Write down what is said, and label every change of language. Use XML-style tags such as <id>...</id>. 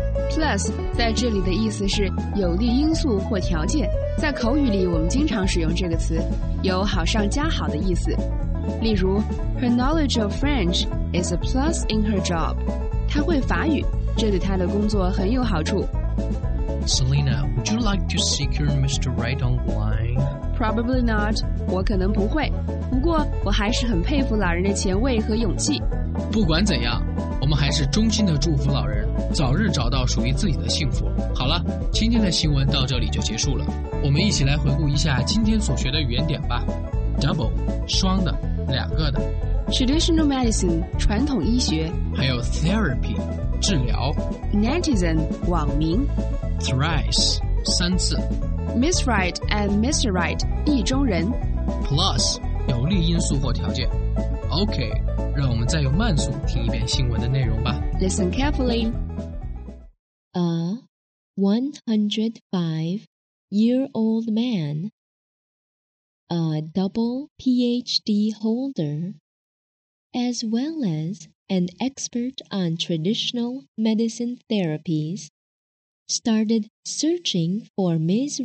<zh>Plus 在这里的意思是有利因素或条件在口语里我们经常使用这个词有好上加好的意思例如</zh> <en>Her knowledge of French is a plus in her job</en> <zh>她会法语这对她的工作很有好处</zh> <en>Selena, would you like to secure Mr. Wright online? Probably not</en> <zh>我可能不会不过我还是很佩服老人的前卫和勇气不管怎样我们还是衷心的祝福老人早日找到属于自己的幸福好了今天的新闻到这里就结束了我们一起来回顾一下今天所学的语言点吧 double 双的两个的</zh> <en>traditional medicine 传统医学</en> <zh>还有 therapy 治疗</zh> <en>netizen 网民 thrice 三次 Miss Wright and Mr. Wright 意中人</en> <zh>plus 有利因素或条件 OK 让我们再用慢速听一遍新闻的内容吧</zh> <en>Listen carefully A 105-year-old man, a double PhD holder, as well as an expert on traditional medicine therapies, started searching for Ms.</en>